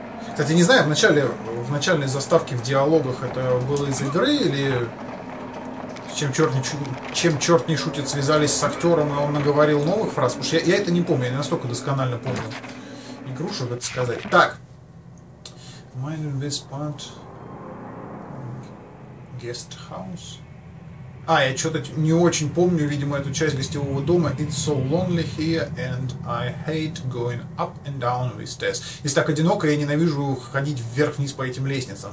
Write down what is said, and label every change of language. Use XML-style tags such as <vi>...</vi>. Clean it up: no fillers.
<ru>Кстати, не знаю, в начальной заставке, в диалогах это было из игры, или чем черт не шутит, связались с актером, и он наговорил новых фраз. Потому что я это не помню, я не настолько досконально помню игру, чтобы это сказать.</ru> <en>Так. Mind in this part. Guest house.</en> <ru>А, я что-то не очень помню, видимо, эту часть гостевого дома.</ru> <en>It's so lonely here, and I hate going up and down these stairs.</en> <ru>Если так одиноко, я ненавижу ходить вверх-вниз по этим лестницам.</ru>